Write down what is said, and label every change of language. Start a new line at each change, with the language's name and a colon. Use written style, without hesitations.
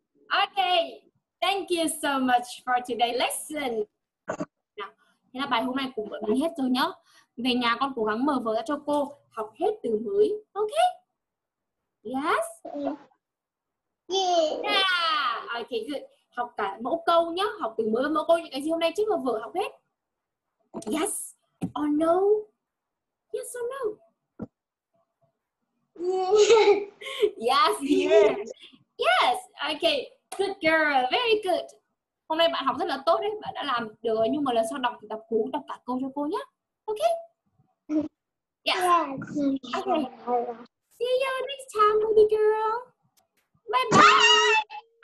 English: Okay, thank you so much for today's lesson.
Vietnamese: Nào, thế là bài hôm nay cũng gần hết rồi nhá. Về nhà con cố gắng mở vở ra cho cô học hết từ mới.
English: Okay? Yes. Yeah. Yeah. Okay, good.
Vietnamese: Học cả mẫu câu nhá, học từ mới mẫu câu những cái gì hôm nay trước mà vở học hết.
English: Yes or no? Yes or no? Yes, yes. Yes, okay. Good girl, very good.
Vietnamese: Hôm nay bạn học rất là tốt đấy, bạn đã làm được rồi. Nhưng mà lần sau đọc thì đọc cả câu cho cô nhé.
English: Okay? Yes. Okay. See you next time, baby girl. Bye bye.